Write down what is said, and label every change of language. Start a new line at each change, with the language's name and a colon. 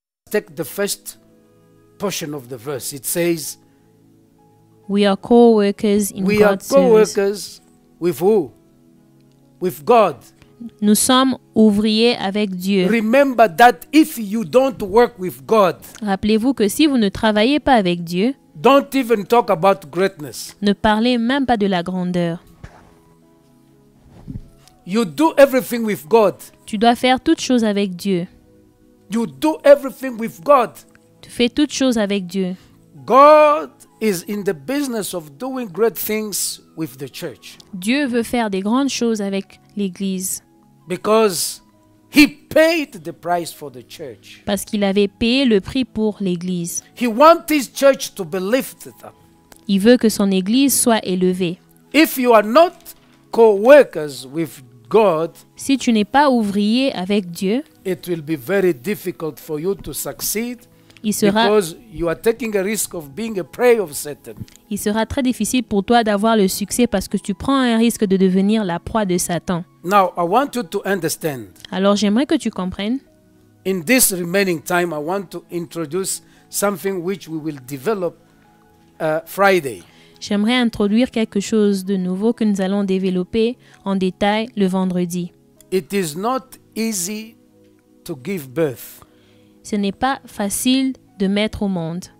English: Take the first portion of the verse. It says, we are co-workers in God's service. We are co-workers with who? With God.
French: Nous sommes ouvriers avec Dieu.
English: Remember that if you don't work with God,
French: rappelez-vous que si vous ne travaillez pas avec Dieu,
English: don't even talk about greatness.
French: Ne parlez même pas de la grandeur.
English: You do everything with God.
French: Tu dois faire toutes choses avec Dieu.
English: You do everything with God.
French: Tu fais toutes choses avec Dieu.
English: God is in the business of doing great things with the church.
French: Dieu veut faire des grandes choses avec l'église.
English: Because he paid the price for the church.
French: Parce qu'il avait payé le prix pour l'église.
English: He wants his church to be lifted up.
French: Il veut que son église soit élevée.
English: If you are not co-workers with God,
French: si tu n'es pas ouvrier avec Dieu,
English: it will be very difficult for you to succeed.
French: Il sera,
English: because you are taking a risk of being a prey of Satan.
French: Il sera très difficile pour toi d'avoir le succès parce que tu prends un risque de devenir la proie de Satan.
English: Now, I want you to understand.
French: Alors, j'aimerais que tu comprennes.
English: In this remaining time, I want to introduce something which we will develop Friday.
French: J'aimerais introduire quelque chose de nouveau que nous allons développer en détail le vendredi.
English: It is not easy to give birth.
French: Ce n'est pas facile de mettre au monde.